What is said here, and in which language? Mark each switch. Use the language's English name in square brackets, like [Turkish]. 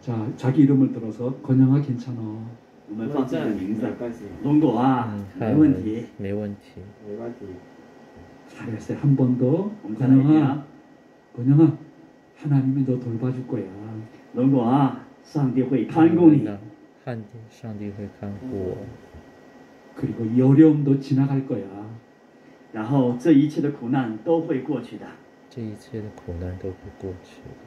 [Korean] 자, 자기 이름을 들어서 권영아 괜찮아. [Chinese] 我们放自己的名字。龙果啊，没问题。没问题。 [Korean] 잘했어요. 한 번 더. 권영아. 권영아, 하나님이 너 돌봐줄 거야. [Chinese] 龙果啊，上帝会看顾你。上帝会看顾我。 [Korean] 그리고 이 어려움도 지나갈 거야. [Chinese] 然后这一切的苦难都会过去的。这一切的苦难都会过去。